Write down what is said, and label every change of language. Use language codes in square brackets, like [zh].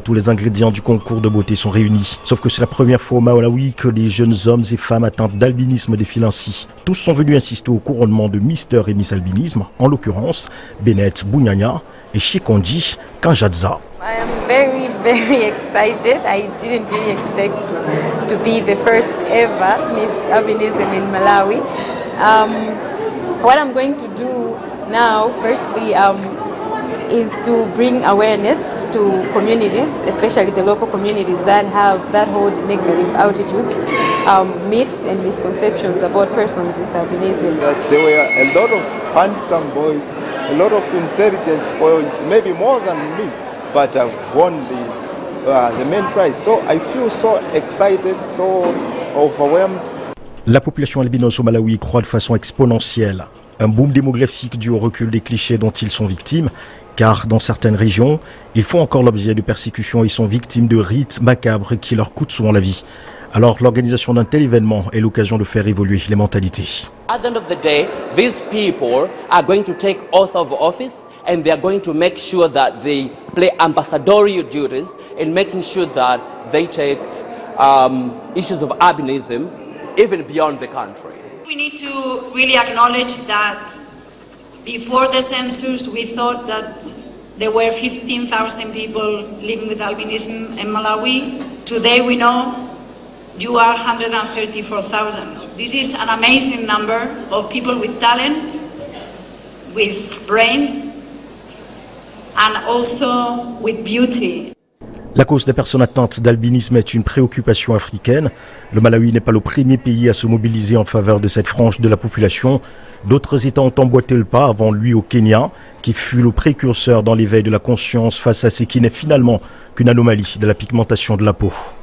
[fr] Tous les ingrédients du concours de beauté sont réunis. Sauf que c'est la première fois au Malawi que les jeunes hommes et femmes atteints d'albinisme défilent ainsi. Tous sont venus assister au couronnement de Mister et Miss Albinisme, en l'occurrence Bennett Bunyanya et Chikondi Kanjadza. [en] I am very, very excited. I didn't really expect to be the first ever Miss Albinism in Malawi. What I'm going to do now, firstly, is to bring awareness to communities, especially the local communities that have that hold negative attitudes, myths and misconceptions about persons with albinism. That there were a lot of handsome boys, a lot of intelligent boys, maybe more than me, but I've won the main prize. So I feel so excited, so overwhelmed. [fr] La population albinos au Malawi croît de façon exponentielle. Un boom démographique dû au recul des clichés dont ils sont victimes, car dans certaines régions, ils font encore l'objet de persécutions et sont victimes de rites macabres qui leur coûtent souvent la vie. Alors l'organisation d'un tel événement est l'occasion de faire évoluer les mentalités. [en] At the end of the day, these people are going to take oath of office and they are going to make sure that they play ambassadorial duties in making sure that they take issues of albinism even beyond the country. We need to really acknowledge that before the census, we thought that there were 15,000 people living with albinism in Malawi. Today we know you are 134,000. This is an amazing number of people with talent, with brains, and also with beauty. [fr] La cause des personnes atteintes d'albinisme est une préoccupation africaine. Le Malawi n'est pas le premier pays à se mobiliser en faveur de cette frange de la population. D'autres États ont emboîté le pas avant lui au Kenya, qui fut le précurseur dans l'éveil de la conscience face à ce qui n'est finalement qu'une anomalie de la pigmentation de la peau.